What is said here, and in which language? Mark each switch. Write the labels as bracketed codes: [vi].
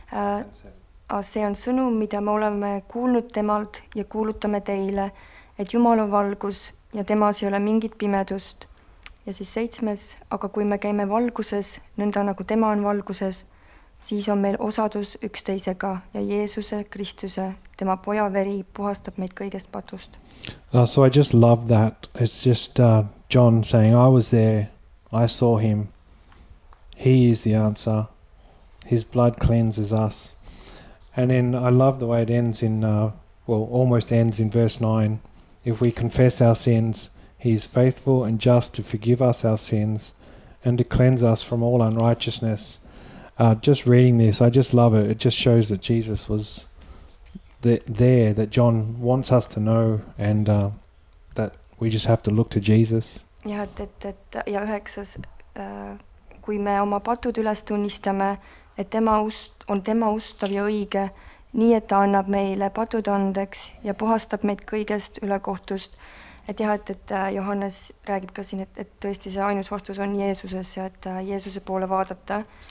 [en] 5 and 7. [et] See on sõnum, mida me oleme kuulnud temalt ja kuulutame teile, et Jumal on valgus ja temas ei ole mingit pimedust. Ja siis 7, aga kui me käime valguses, nõnda nagu tema on valguses, siis on meil osadus üksteisega ja Jeesuse Kristuse, tema poja veri, puhastab meid kõigest patust. [en] So I just love that. It's just John saying, I was there, I saw him, he is the answer, his blood cleanses us. And then I love the way it ends in, almost ends in verse 9, if we confess our sins, he is faithful and just to forgive us our sins and to cleanse us from all unrighteousness. Just reading this, I just love it. It just shows that Jesus was there, that John wants us to know and that we just have to look to Jesus. [et] Ja, ja 9, kui me oma patud üles tunnistame, et tema ust on tema ustav ja õige, nii et ta annab meile patud andeks ja puhastab meid kõigest ülekohtust. Johannes räägib ka siin, et tõesti see ainus vastus on Jeesuses ja et Jeesuse poole vaadata.